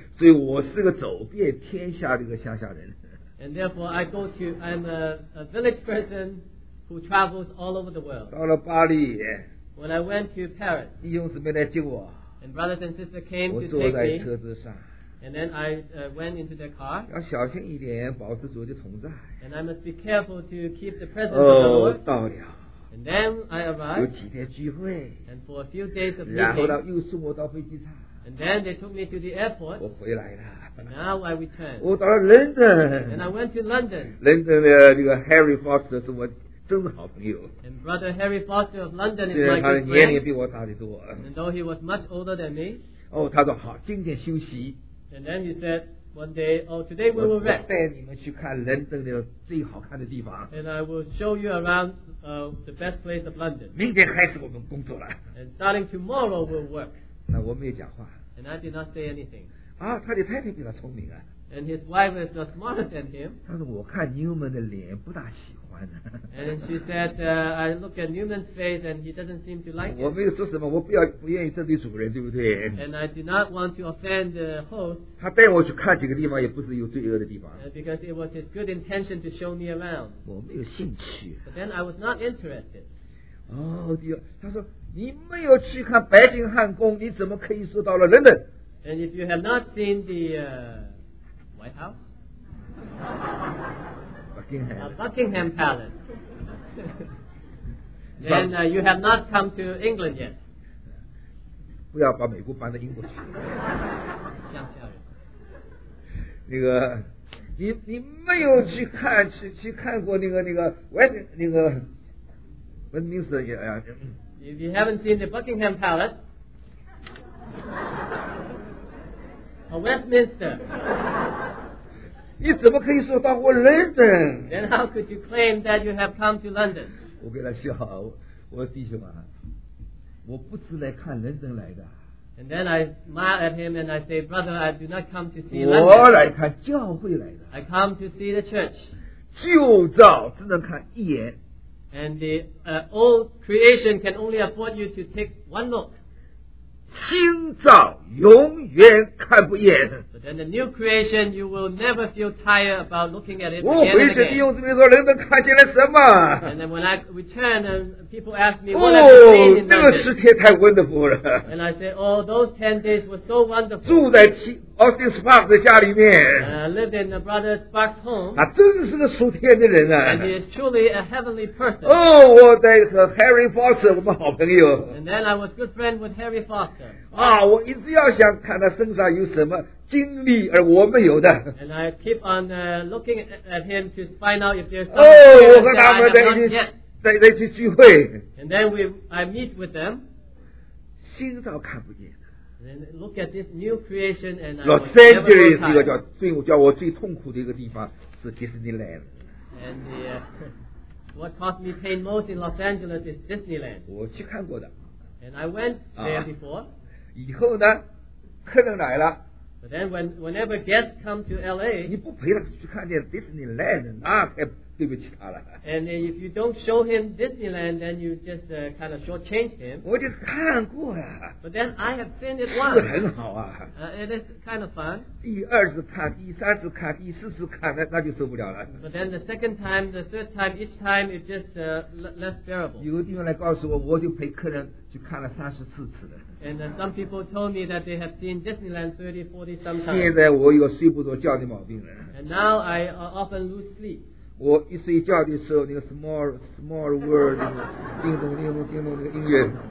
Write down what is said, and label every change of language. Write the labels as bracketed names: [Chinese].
[Chinese] 所以我是个走遍天下的一个乡下人。 [English] And therefore, I'm a village person. Who travels all over the world. [Chinese] 到了巴黎, [English] when I went to Paris, [Chinese] 弟兄姊妹来接我, [English] and brothers and sisters came to take me, [Chinese] 我坐在车子上, [English] and then I went into the car, [Chinese] 要小心一点, 保持主的同在, [English] and I must be careful to keep the presence of the Lord. [Chinese] 哦, 到了, [English] and then I arrived, [Chinese] 有几天聚会, [English] and for a few days of [Chinese] meeting, 然后呢, 又送我到飞机场, [English] and then they took me to the airport, [Chinese] 我回来了, [English] and now I returned. [Chinese] 我到了伦敦, [English] and I went to London. [Chinese] London 的这个 Harry Foster 是我真的好朋友。 [English] And brother Harry Foster of London is my good friend. [Chinese] 年龄比我大得多。 [English] And though he was much older than me. [Chinese] 哦，他说好，今天休息。 [English] And then he said one day, oh, today we will rest. [Chinese] 我带你们去看伦敦的最好看的地方。 [English] And I will show you around the best place of London. [Chinese] 明天开始我们工作了。 [English] And starting tomorrow we'll work. [Chinese] 那我没有讲话。 [English] And I did not say anything. [Chinese] 啊，他的太太比他聪明啊。 [English] And his wife is not smarter than him. [Chinese] 但是我看 Newman 的脸不大喜欢。 [English] And she said, I look at Newman's face and he doesn't seem to like it. [Chinese] 我没有说什么，我不要不愿意得罪主人，对不对？ [English] And I did not want to offend the host. [Chinese] 他带我去看几个地方，也不是有罪恶的地方。 [English] Because it was his good intention to show me around. [Chinese] 我没有兴趣。 [English] But then I was not interested. [Chinese] 哦，第二，他说你没有去看白金汉宫，你怎么可以说到了伦敦？ [English] And if you have not seen the White House? Buckingham Palace. And you have not come to England yet. [Chinese] 不要把美国搬到英国去。乡下人。那个，你没有去看去看过那个 Westminster 呀？ [English] If you haven't seen the Buckingham Palace, or Westminster. [Chinese] 你怎么可以说到过伦敦？ [English] Then how could you claim that you have come to London? [Chinese] 我给他笑，我说弟兄啊，我不是来看伦敦来的。 [English] And then I smile at him and I say, brother, I do not come to see [Chinese] London. 我来看教会来的。 [English] I come to see the church. [Chinese] 旧造只能看一眼。 [English] And the old creation can only afford you to take one look. [Chinese] 新造永远看不厌。 [English] But then the new creation, you will never feel tired about looking at it. [Chinese] 我回去弟兄姊妹说，人都看见了什么 [English] ？And then when I return, people ask me what I've seen. [Chinese] 哦，那个十天太 wonderful 了。 [English] And I say, oh, those 10 days were so wonderful. [Chinese] 住在 Austin Sparks 的家里面。 [English] Lived in the brother Sparks' home. [Chinese] 他真是个属天的人啊。 [English] And he is truly a heavenly person. [Chinese] 哦，我在和 Harry Foster 我们好朋友。 [English] And then I was good friend with Harry Foster. [Chinese] 啊，我一直要想看他身上有什么经历而我没有的。 [English] And I keep on looking at him to find out if there's something that I have not yet. [Chinese] 在去聚会。 [English] And then I meet with them. [Chinese] 心照看不见。 [English] And look at this new creation and I [Chinese] Los Angeles 是一个叫我最痛苦的一个地方是 Disneyland. [English] And what caused me pain most in Los Angeles is Disneyland. [Chinese] 我去看过的。 [English] And I went there before. [Chinese] 以后呢，客人来了， [English] But then whenever guests come to LA, [Chinese] 你不陪他去看见 Disneyland, 那可对不起他了。 [English] And if you don't show him Disneyland, then you just kind of shortchange him. [Chinese] 我就看过了。 [English] But then I have seen it [Chinese] once. 是很好啊。 [English] It is kind of fun. [Chinese] 第二次看，第三次看，第四次看，那就受不了了。 [English] But then the second time, the third time, each time it just less bearable. [Chinese] 有的地方来告诉我，我就陪客人去看了30-40次了。 [English] And then some people told me that they have seen Disneyland 30, 40 sometimes. [Chinese] 现在我有睡不着觉的毛病了。 [English] And now I often lose sleep. [Chinese] 我一睡觉的时候，那个 small world 叮咚叮咚叮咚那个音乐。